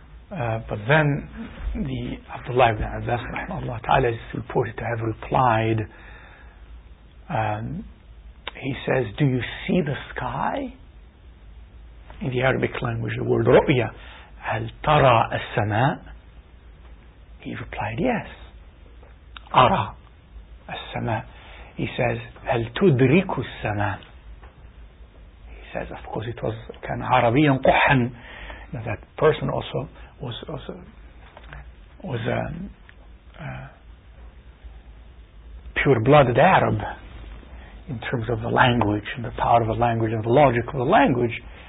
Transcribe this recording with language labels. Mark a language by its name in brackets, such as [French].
[English] But then the Abdullah ibn Abbas rahimahullah ta'ala is reported to have replied, he says, do you see the sky? In the Arabic language, the word ru'ya, [Arabic] هل ترى السماء? [English] He replied, yes. Ara, [Arabic] sama. [English] He says, [Arabic] هل تدرك السماء? [English] He says, of course, it was [Arabic] كان عربيا قحا. [English] That person also was a pure-blooded Arab in terms of the language and the power of the language and the logic of the language.